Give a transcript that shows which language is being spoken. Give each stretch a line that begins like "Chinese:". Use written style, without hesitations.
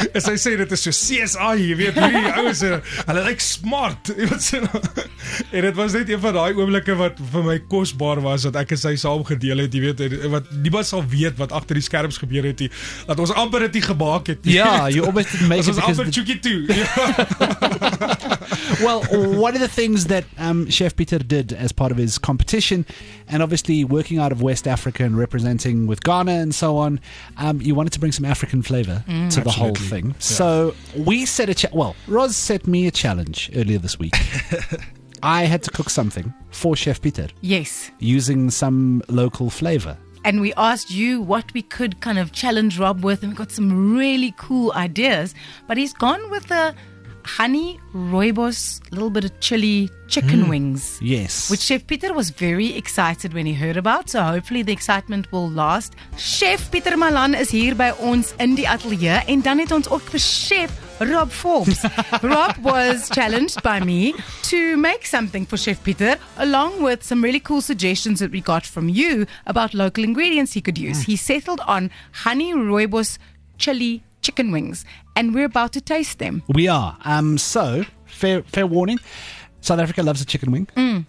Afrikaans: En sy sê, dit is so CSI, jy weet, hierdie ouwe sê, hulle lyk smart, jy weet, sê, en dit was net een van die oomblikke wat vir my kosbaar was, wat ek en sy saam gedeel het, jy weet, en wat niemand sal weet wat achter die skerms gebeur het, dat ons amper het die gebaak het.
English: Ja, you almost didn't make it.
Afrikaans: Ons amper tjoekie toe.
English: Well, one of the things that Chef Pieter did as part of his competition, and obviously working out of West Africa and representing with Ghana and so on, you wanted to bring some African flavor to absolutely the whole thing. Yeah. So we set a well, Roz set me a challenge earlier this week. I had to cook something for Chef Pieter. Yes. Using some local flavor. And we asked you what we could kind of challenge Rob with, and we got some really cool ideas. But he's gone with a honey, rooibos, a little bit of chili, chicken wings. Yes. Which Chef Pieter was very excited when he heard about. So hopefully the excitement will last. Chef Pieter Malan is here
Afrikaans: by ons in die atelier. En dan het ons ook Chef Rob Forbes.
English: Rob was challenged by me to make something for Chef Pieter, along with some really cool suggestions that we got from you about local ingredients he could use. He settled on honey, rooibos, chili, chicken wings, and we're about to taste them. We are. Fair warning, South Africa loves a chicken wing.